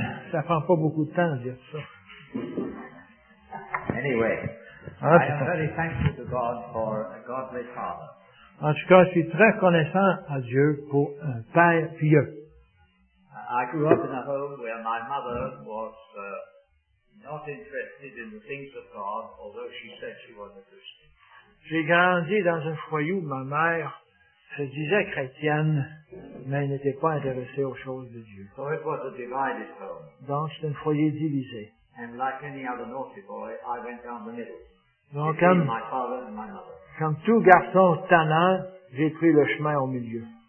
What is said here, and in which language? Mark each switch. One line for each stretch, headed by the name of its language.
French: Ça prend pas beaucoup de temps, dire ça.
English: Anyway, I am very thankful to God for a godly father.
French: En tout cas, je suis très reconnaissant à Dieu pour un père pieux.
English: I grew up in a home where my mother was not interested in the things of God, although she said she was a Christian.
French: J'ai grandi dans un foyer où ma mère se disait chrétienne, mais elle n'était pas intéressée aux choses de Dieu.
English: So it was a divided home.
French: Donc, c'est un foyer divisé.
English: And like any other naughty boy, I went down the middle.
French: Donc,
English: between my father and my mother.
French: Comme tout garçon tannant, j'ai pris le chemin au milieu.